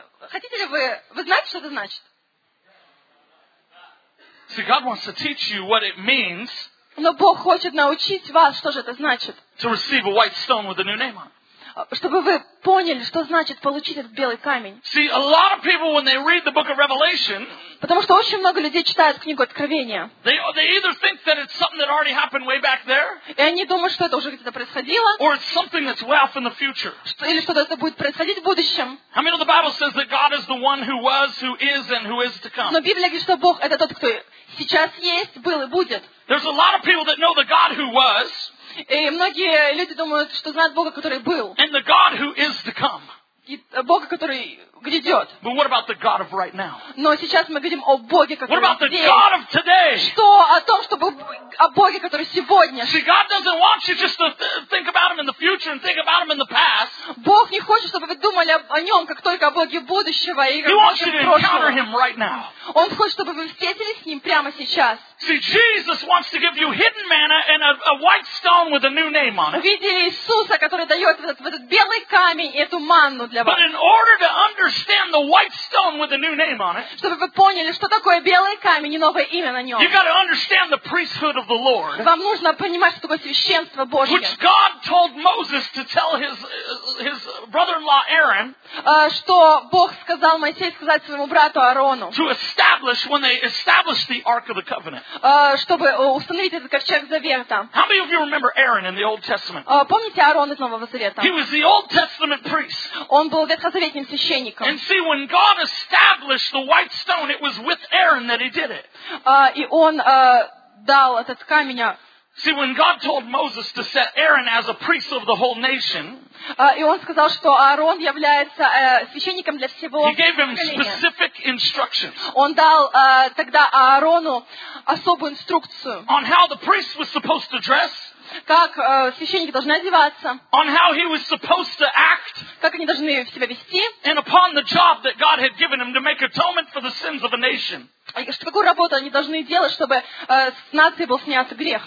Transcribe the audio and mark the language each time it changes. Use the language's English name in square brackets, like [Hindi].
[Russian] Хотите ли вы знаете, что это значит? [English] See, God wants to teach you what it means. [Russian] Но Бог хочет научить вас, что же это значит. [English] To receive a white stone with a new name on it. [Russian] Чтобы вы поняли, что значит получить этот белый камень. [English] See, a lot of people, when they read the book of Revelation, [Russian] Потому что очень много людей читают книгу Откровения. [English] They either think that it's something that already happened way back there. [Russian] И они думают, что это уже где-то происходило. [English] Or it's something that's way off in the future. [Russian] Или что-то это будет происходить в будущем. [English] How many of the Bible says that God is the one who was, who is, and who is to come? [Russian] Но Библия говорит, что Бог это тот, кто сейчас есть, был и будет. [English] There's a lot of people that know the God who was. [Russian] И многие люди думают, что знают Бога, который был. [English] And the God who is to come. [Russian] И Бога, который грядет. [English] But what about the God of right now? [Russian] Но сейчас мы говорим о Боге, который [English] what about [Russian] здесь. [English] The God of today? [Russian] Что о том, чтобы о Боге, который сегодня. [English] See, God doesn't want you just to think about him in the future and think about him in the past. [Russian] Бог не хочет, чтобы вы думали о нем как только о Боге будущего и [English] He wants you to encounter him right now. [Russian] Он хочет, чтобы вы встретились с ним прямо сейчас. [English] See, Jesus wants to give you hidden manna and a white stone with a new name on it. [Russian] Видели Иисуса, который дает этот белый камень и эту манну для вас. [English] But in order to understand the white stone with a new name on it, [Russian] чтобы вы поняли, что такое белый камень и новое имя на нем, [English] you got to understand the priesthood of the Lord. [Russian] Вам нужно понимать, что такое священство Божье. [English] Which God told Moses to tell his brother-in-law Aaron. [Russian] Что Бог сказал Моисею сказать своему брату Аарону. [English] To establish when they established the Ark of the Covenant. [Russian] Чтобы установить этот ковчег завета. [English] How many of you remember Aaron in the Old Testament? [Russian] Помните Аарона из Нового Завета? [English] He was the Old Testament priest. [Russian] Он был ветхозаветным священником. [English] And see, when God established the white stone, it was with Aaron that He did it. [Russian] И он дал этот камень. [English] See, when God told Moses to set Aaron as a priest of the whole nation. [Russian] И он сказал, что Аарон является священником для всего поколения. Он дал тогда Аарону особую инструкцию. [English] On how the priest was supposed to dress. [Russian] Как священники должны одеваться. [English] On how he was supposed to act. [Russian] Как они должны себя вести. [English] And upon the job that God had given him to make atonement for the sins of a nation. [Russian] Что какую работу они должны делать, чтобы с нации был снят грех.